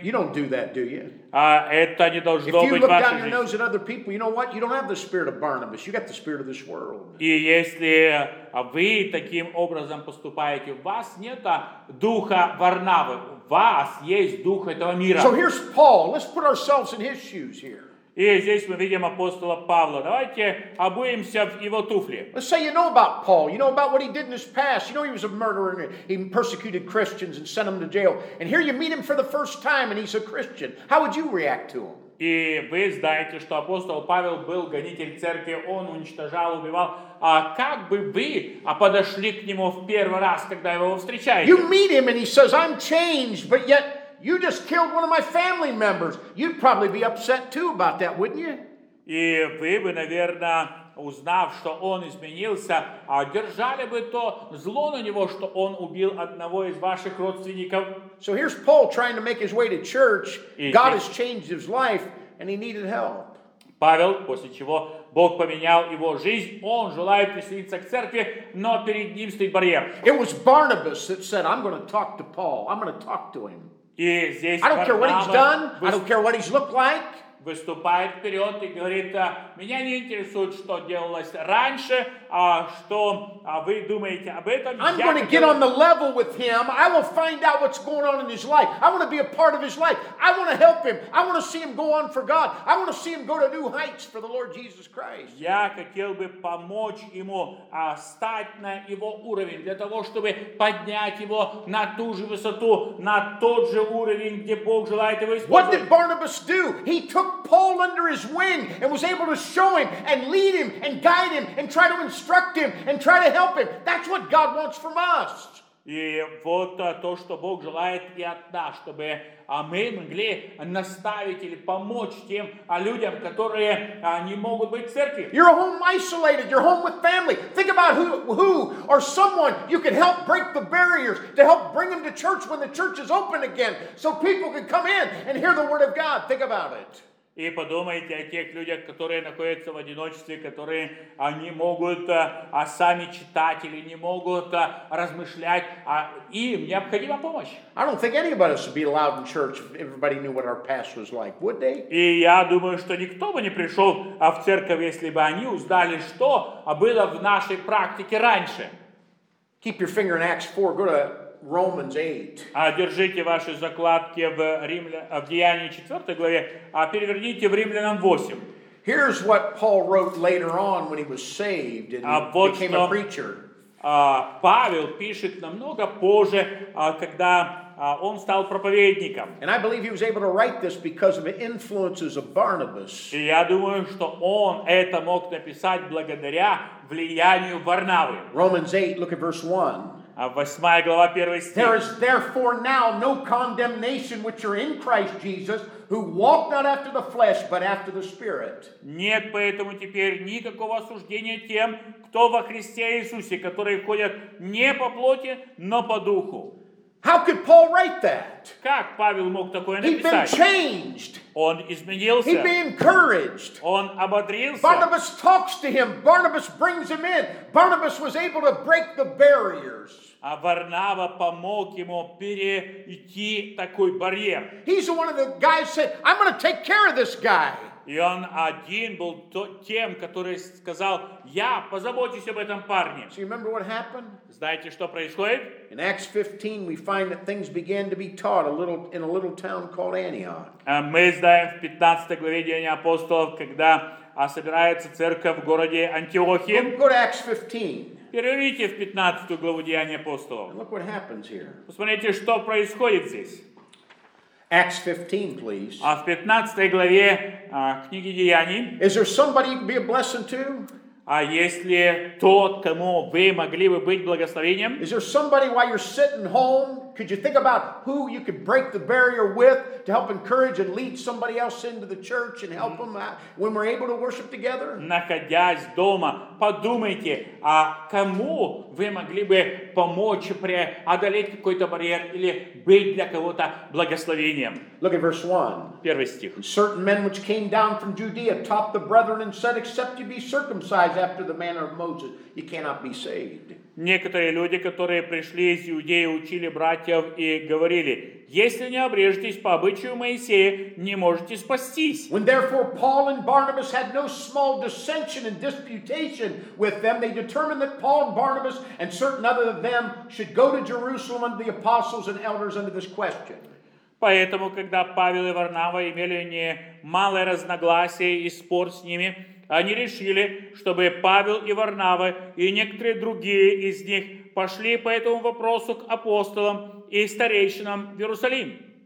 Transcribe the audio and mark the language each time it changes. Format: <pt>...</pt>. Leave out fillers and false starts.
<en>You don't do that, do you?</en> <ru>Это не должно быть в вашей жизни.</ru> <en>If you look down your nose at other people, you know what? You don't have the spirit of Barnabas. You got the spirit of this world.</en> <ru>И если вы таким образом поступаете, у вас нет духа Варнавы, у вас есть дух этого мира.</ru> <en>So here's Paul. Let's put ourselves in his shoes here.</en> <ru>И здесь мы видим апостола Павла. Давайте обуемся в его туфли.</ru> <en>Let's say you know about Paul. You know about what he did in his past. You know he was a murderer and he persecuted Christians and sent them to jail. And here you meet him for the first time and he's a Christian. How would you react to him?</en> <ru>И вы знаете, что апостол Павел был гонитель церкви, он уничтожал, убивал. А как бы вы подошли к нему в первый раз, когда его встречаете?</ru> <en>You meet him and he says, I'm changed, but yet you just killed one of my family members. You'd probably be upset too about that, wouldn't you?</en> <ru>И вы бы, наверное, узнав, что он изменился, держали бы то зло на него, что он убил одного из ваших родственников.</ru> <en>So here's Paul trying to make his way to church. God has changed his life and he needed help.</en> <ru>Павел, после чего Бог поменял его жизнь, он желает присоединиться к церкви, но перед ним стоит барьер.</ru> <en>It was Barnabas that said, I'm going to talk to Paul. I'm going to talk to him.</en> <ru>И здесь</ru> <en>I don't care what he's done. I don't care what he's looked like.</en> <ru>В выступает вперед и говорит: меня не интересует, что делалось раньше, а что вы думаете об этом.</ru> <en>I'm going to get on the level with him. I will find out what's going on in his life. I want to be a part of his life. I want to help him. I want to see him go on for God. I want to see him go to new heights for the Lord Jesus Christ.</en> <ru>Я хотел бы помочь ему стать на его уровень для того, чтобы поднять его на ту же высоту, на тот же уровень, где Бог желает его использовать.</ru> <en>What did Barnabas do? He took Paul under his wing and was able to show him and lead him and guide him and try to instruct him and try to help him. That's what God wants from us.</en> <ru>И вот то, что Бог желает и от нас, чтобы мы могли наставить или помочь тем людям, которые не могут быть в церкви.</ru> <en>You're home isolated, you're home with family. Think about who or someone you can help break the barriers to help bring them to church when the church is open again, so people can come in and hear the word of God. Think about it.</en> <ru>И подумайте о тех людях, которые находятся в одиночестве, которые не могут сами читать или не могут размышлять, а им необходима помощь.</ru> <en>I don't think any of us would be allowed in church if everybody knew what our past was like, would they?</en> <ru>И я думаю, что никто бы не пришел в церковь, если бы они узнали, что было в нашей практике раньше.</ru> <en>Keep your finger in Acts 4, go to Romans 8.</en> <ru>Держите ваши закладки в Деяниях 4 главе, а переверните в Римлянам 8.</ru> <en>Here's what Paul wrote later on when he was saved and became a preacher.</en> <ru>Павел пишет намного позже, когда он стал проповедником.</ru> <en>And I believe he was able to write this because of the influences of Barnabas.</en> <ru>И я думаю, что он это мог написать благодаря влиянию Варнавы.</ru> <en>Romans 8, look at verse 1.</en> <ru>Восьмая глава, первый стих.</ru> <en>There is therefore now no condemnation which are in Christ Jesus, who walk not after the flesh, but after the Spirit.</en> <ru>Нет поэтому теперь никакого осуждения тем, кто во Христе Иисусе, которые ходят не по плоти, но по духу.</ru> <en>How could Paul write that?</en> <ru>Как Павел мог такое написать?</ru> <en>He'd been changed.</en> <ru>Он изменился.</ru> <en>He'd been encouraged.</en> <ru>Он ободрился.</ru> <en>Barnabas talks to him. Barnabas brings him in. Barnabas was able to break the barriers.</en> <ru>А Варнава помог ему перейти такой барьер.</ru> <en>He's one of the guys said, "I'm going to take care of this guy."</en> <ru>И он один был тем, который сказал: я позабочусь об этом парне.</ru> <en>So you remember what happened?</en> <ru>Знаете, что происходит?</ru> <en>In Acts 15 we find that things began to be taught in a little town called Antioch.</en> <ru>Мы знаем в 15 главе Деяния апостолов, когда собирается церковь в городе Антиохии.</ru> <en>Go to Acts 15.</en> <ru>Переверните в 15 главу Деяния апостолов.</ru> <en>Look what happens here.</en> <ru>Посмотрите, что происходит здесь.</ru> <en>Acts 15, please.</en> <ru>А в 15 главе книги Деяний.</ru> <en>Is there somebody you can be a blessing to?</en> <ru>А есть ли тот, кому вы могли бы быть благословением?</ru> <en>Is there somebody while you're sitting home, could you think about who you could break the barrier with to help encourage and lead somebody else into the church and help them when we're able to worship together?</en> <ru>Находясь дома, подумайте, а кому вы могли бы помочь преодолеть какой-то барьер или быть для кого-то благословением?</ru> <en>Look at verse 1.</en> <ru>Первый стих.</ru> <en>And certain men which came down from Judea taught the brethren and said, except you be circumcised after the manner of Moses, you cannot be saved.</en> <ru>Некоторые люди, которые пришли из Иудеи, учили братьев и говорили: если не обрежетесь по обычаю Моисея, не можете спастись.</ru> <en>When therefore Paul and Barnabas had no small dissension and disputation with them, they determined that Paul and Barnabas and certain other of them should go to Jerusalem unto the apostles and elders under this question.</en> <ru>Поэтому, когда Павел и Варнава имели немалое разногласие и спор с ними, они решили, чтобы Павел и Варнава и некоторые другие из них пошли по этому вопросу к апостолам и старейшинам в Иерусалим.</ru>